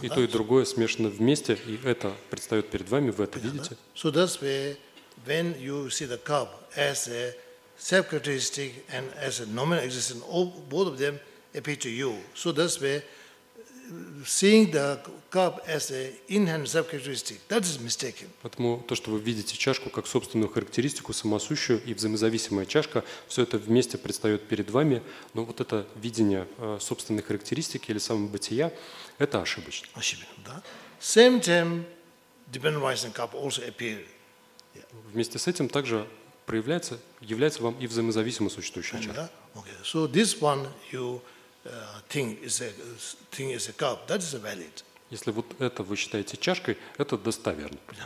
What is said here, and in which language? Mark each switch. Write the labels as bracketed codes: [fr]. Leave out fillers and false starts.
[ru] и то, и другое смешано вместе, и это предстает перед вами, вы это видите? [en] So, that's where when you see the cup as a self-characteristic and as a nominal existence, both of them appear to you. So that's where seeing the cup as an inherent self-characteristic, that is mistaken. [ru] Поэтому то, что вы видите чашку как собственную характеристику, самосущую и взаимозависимая чашка, все это вместе предстает перед вами, но вот это видение собственной характеристики или самобытия, это ошибочно. Ошибочно, да. [en] Same time, dependent rising cup also appear. [ru] Вместе с этим также проявляется, является вам и взаимозависимо существующая чаша. Okay. [en] So this one you think is a cup, that is valid. [ru] Если вот это вы считаете чашкой, это достоверно.